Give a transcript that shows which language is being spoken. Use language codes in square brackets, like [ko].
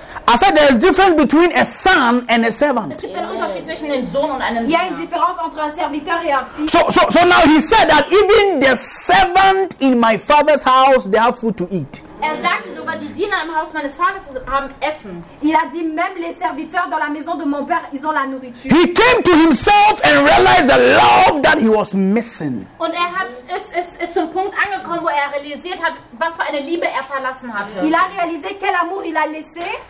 [en] I said there is a difference between a son and a servant. So now he said that even the servant in my father's house, they have food to eat. [fr] Il a dit même les serviteurs dans la maison de mon père, ils ont la nourriture. [en] He came to himself and realized the love that he was missing. [de] Und er hat ist zum Punkt angekommen, wo er realisiert hat, was für eine Liebe er verlassen hatte. [fr] Il a réalisé quel amour il a laissé.